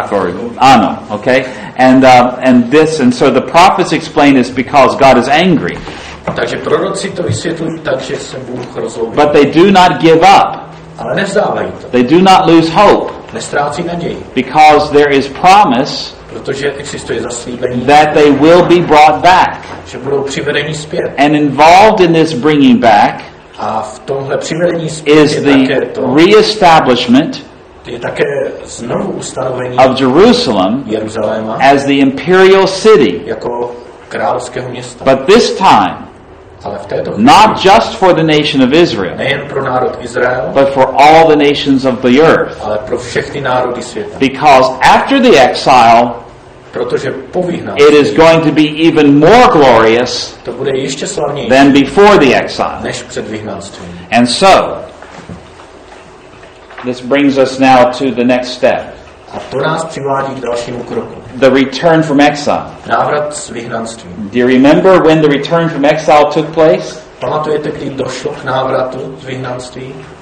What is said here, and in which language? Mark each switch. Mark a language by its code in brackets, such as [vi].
[en] Okay. And so the prophets explain this because God is angry. [cs] Takže proroci to vysvětlují tak, že se Bůh rozhodl. [en] But they do not give up. [cs] Ale nevzdávají to. [en] They do not lose hope. [cs] Nestrácí naději. [en] Because there is promise. [cs] Protože existuje zaslíbení. [en] That they will be brought back. [cs] Že budou přivedeni zpět. [en] And involved in this bringing back. [cs] A v tomhle přivedení zpět [en] is the reestablishment. [cs] Je také znovu ustanovení. [en] Of Jerusalem. [cs] Jeruzaléma. [en] As the imperial city. [cs] Jako královského města. [en] But this time. Not just for the nation of Israel, [cs] nejen pro národ Izrael, [en] but for all the nations of the earth. [cs] Ale pro všechny národy světa. [en] Because after the exile, [cs] protože po vyhnanství, [en] it is going to be even more glorious [cs] to bude ještě slavnější [en] than before the exile. [cs] Než před vyhnanstvím. [en] And so, this brings us now to the next step. [cs] A to nás přivádí k dalšímu kroku. [en] The return from exile. [cs] Návrat z vyhnanství. [en] Do you remember when the return from exile took place? [cs] Pamatujete, kdy došlo k návratu z vyhnanství?